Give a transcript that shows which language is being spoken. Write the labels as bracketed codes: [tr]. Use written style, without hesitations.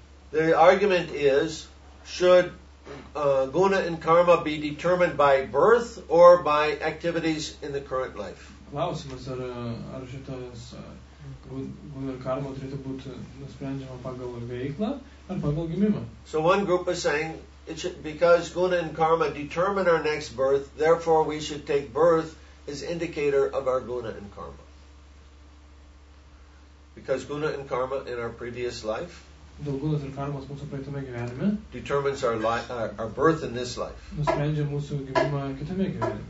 [en] The argument is, should guna and karma be determined by birth or by activities in the current life? [lt] Klausimas, ar šitas guna ir karma turėtų būti nusprendžiama pagal veiklą ar pagal gimimą. [en] So one group is saying, it should, because guna and karma determine our next birth, therefore we should take birth as indicator of our guna and karma. Because guna and karma in our previous life determines our our birth in this life.